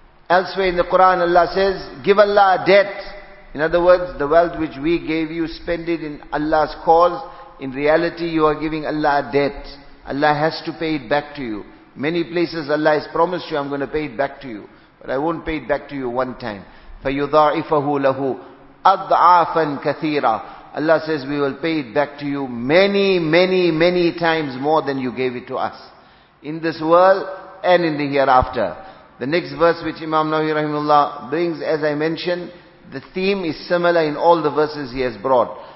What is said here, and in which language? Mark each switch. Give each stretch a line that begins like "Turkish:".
English: Elsewhere in the Quran, Allah says, give Allah a debt. In other words, the wealth which we gave you, spend it in Allah's cause. In reality, you are giving Allah a debt. Allah has to pay it back to you. Many places Allah has promised you, I'm going to pay it back to you. But I won't pay it back to you one time.
Arabic: فَيُضَاعِفَهُ لَهُ أَضْعَافًا كَثِيرًا.
English: Allah says, we will pay it back to you many, many, many times more than you gave it to us. In this world and in the hereafter. The next verse which Imam Nawawi rahimahullah brings, as I mentioned, the theme is similar in all the verses he has brought.